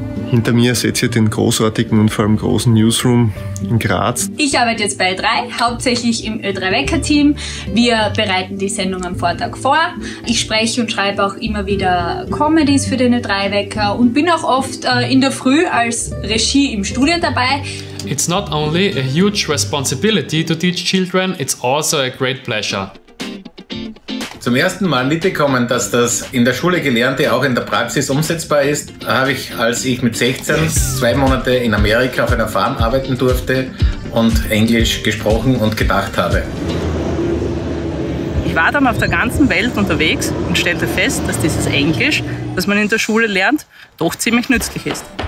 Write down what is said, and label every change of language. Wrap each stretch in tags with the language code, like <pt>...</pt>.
<de>Hinter mir seht ihr den großartigen und vor allem großen Newsroom in Graz. Ich arbeite jetzt bei Ö3, hauptsächlich im Ö3 Wecker-Team. Wir bereiten die Sendung am Vortag vor. Ich spreche und schreibe auch immer wieder Comedies für den Ö3 Wecker und bin auch oft in der Früh als Regie im Studio dabei.</de> <en>It's not only a huge responsibility to teach children, it's also a great pleasure.</en> <de>Zum ersten Mal mitbekommen, dass das in der Schule Gelernte auch in der Praxis umsetzbar ist, habe ich, als ich mit 16 zwei Monate in Amerika auf einer Farm arbeiten durfte und Englisch gesprochen und gedacht habe. Ich war dann auf der ganzen Welt unterwegs und stellte fest, dass dieses Englisch, das man in der Schule lernt, doch ziemlich nützlich ist.</de>